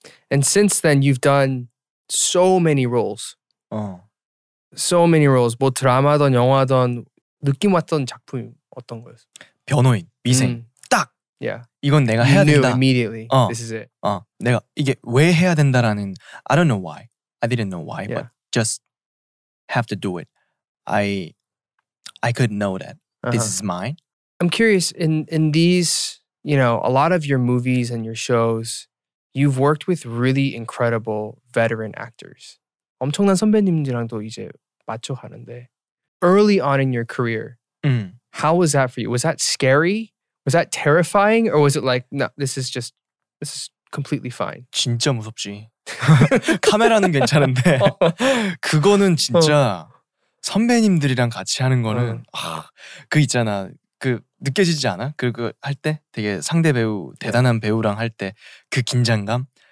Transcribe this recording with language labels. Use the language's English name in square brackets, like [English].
[English] And since then you've done so many roles. So many roles. [Korean] 뭐 드라마든 영화든 느낌 왔던 작품이 어떤 거였어? 변호인, 미생, 딱! [English] Yeah. [Korean] 이건 내가 해야 된다. [English] You knew immediately. This is it. [Korean] 내가 이게 왜 해야 된다라는 [English] I don't know why. I didn't know why. Yeah. But just have to do it. I could know that. This is mine. I'm curious, in these, you know, a lot of your movies and your shows, you've worked with really incredible veteran actors. [Korean] 엄청난 선배님들이랑도 이제 맞춰 가는데 [English] Early on in your career, how was that for you? Was that scary? Was that terrifying? Or was it like, no, this is completely fine. [Korean] 진짜 무섭지. 카메라는 괜찮은데 그거는 진짜 선배님들이랑 같이 하는 거는 아, 그 있잖아. 그 느껴지지 않아? 그거 할 때 되게 상대 배우 대단한 배우랑 할 때 그 긴장감.